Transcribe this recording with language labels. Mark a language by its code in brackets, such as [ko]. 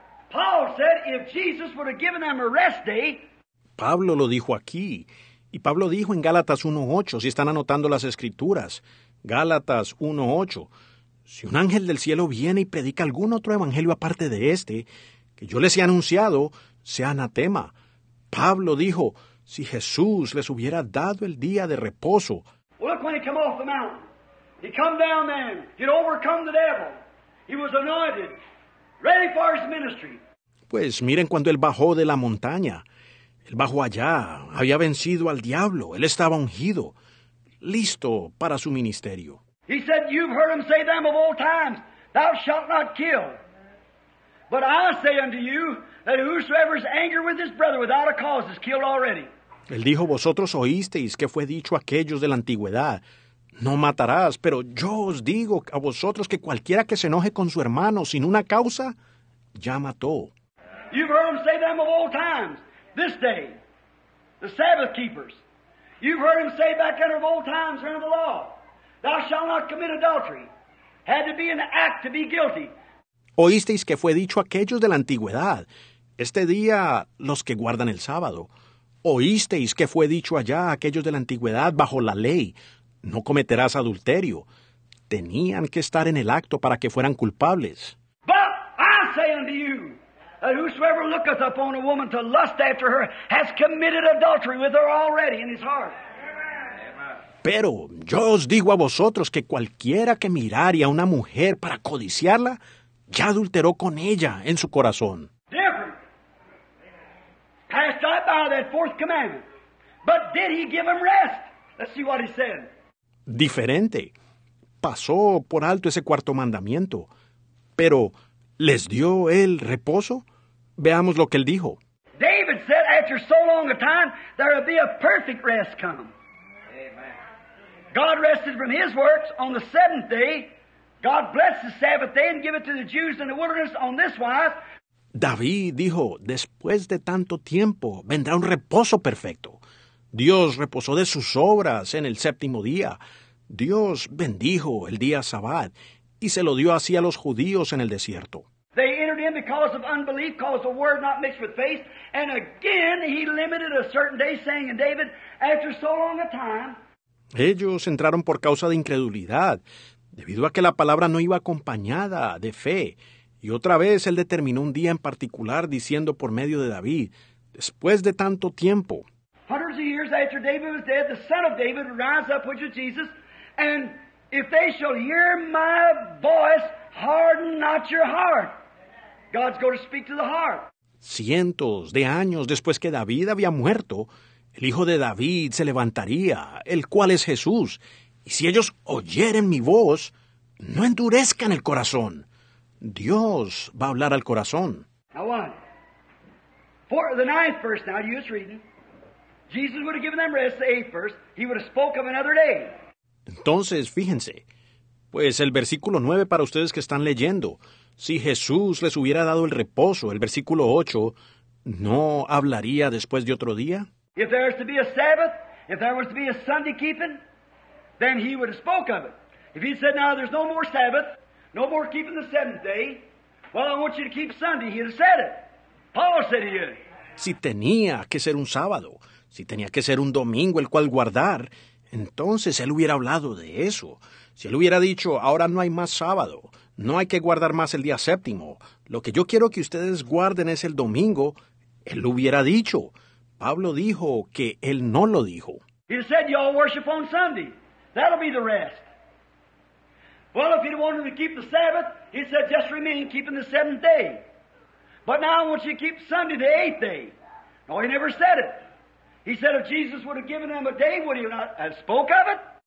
[en] Paul said, if Jesus would have given them a rest day. [es] Pablo lo dijo aquí. Y Pablo dijo en Gálatas 1:8, si están anotando las escrituras, Gálatas 1:8, si un ángel del cielo viene y predica algún otro evangelio aparte de este, que yo les he anunciado, sea anatema. Pablo dijo, si Jesús les hubiera dado el día de reposo. [en] Well, look, when he came off the mountain, he come down then, he'd overcome the devil, he was anointed, ready for his ministry. [es] Pues miren cuando él bajó de la montaña. Él bajó allá, había vencido al diablo, él estaba ungido, listo para su ministerio. [en] He said, you've heard him say them of old times, thou shalt not kill. But I say unto you, that whosoever is angry with his brother without a cause is killed already. [es] Él dijo, vosotros oísteis que fue dicho a aquellos de la antigüedad, no matarás, pero yo os digo a vosotros que cualquiera que se enoje con su hermano sin una causa, ya mató. [en] You've heard him say them of old times. This day, the Sabbath keepers, you've heard him say back under of old times under the law, thou shalt not commit adultery, had to be an act to be guilty. [es] Oísteis que fue dicho aquellos de la antigüedad, este día los que guardan el sábado. Oísteis que fue dicho allá a aquellos de la antigüedad bajo la ley, no cometerás adulterio. Tenían que estar en el acto para que fueran culpables. [en] But I say unto you, that whosoever looketh upon a woman to lust after her has committed adultery with her already in his heart. [es] Pero yo os digo a vosotros que cualquiera que mirare a una mujer para codiciarla, ya adulteró con ella en su corazón. [en] Different. Passed right by that fourth commandment. But did he give him rest? Let's see what he said. [es] Diferente. Pasó por alto ese cuarto mandamiento. Pero, ¿les dio él reposo? Veamos lo que él dijo. [en] David said, after so long a time, there will be a perfect rest come. God rested from his works on the seventh day. God blessed the Sabbath day and gave it to the Jews in the wilderness on this wise. [es] David dijo, después de tanto tiempo, vendrá un reposo perfecto. Dios reposó de sus obras en el séptimo día. Dios bendijo el día sabbat y se lo dio así a los judíos en el desierto. [en] They entered in because of unbelief, because the word not mixed with faith. And again, he limited a certain day, saying in David, after so long a time, [es] ellos entraron por causa de incredulidad, debido a que la palabra no iba acompañada de fe. Y otra vez él determinó un día en particular diciendo por medio de David, después de tanto tiempo. [en] Hundreds of years after David was dead, the son of David rise up, which is Jesus, and if they shall hear my voice, harden not your heart. God's going to speak to the heart. [es] Cientos de años después que David había muerto, el Hijo de David se levantaría, el cual es Jesús. Y si ellos oyeren mi voz, no endurezcan el corazón. Dios va a hablar al corazón. [en] Now what? For the ninth verse now, you just reading. Jesus would have given them rest, the eighth verse. He would have spoke of another day. [es] Entonces, fíjense. Pues el versículo 9 para ustedes que están leyendo. Si Jesús les hubiera dado el reposo, el versículo 8, ¿no hablaría después de otro día? [en] If there was to be a Sabbath, if there was to be a Sunday keeping, then he would have spoke of it. If he said, now there's no more Sabbath, no more keeping the seventh day, well, I want you to keep Sunday, he'd have said it. Paul said he did. [es] Si tenía que ser un sábado, si tenía que ser un domingo el cual guardar, entonces él hubiera hablado de eso. Si él hubiera dicho, ahora no hay más sábado, no hay que guardar más el día séptimo, lo que yo quiero que ustedes guarden es el domingo, él lo hubiera dicho. Pablo dijo que él no lo dijo. [en] He said, y'all worship on Sunday. That'll be the rest. Well, if he wanted to keep the Sabbath, he said, just remain keeping the seventh day. But now I want you to keep Sunday, the eighth day. No, he never said it. He said, if Jesus would have given them a day, would he not have spoke of it?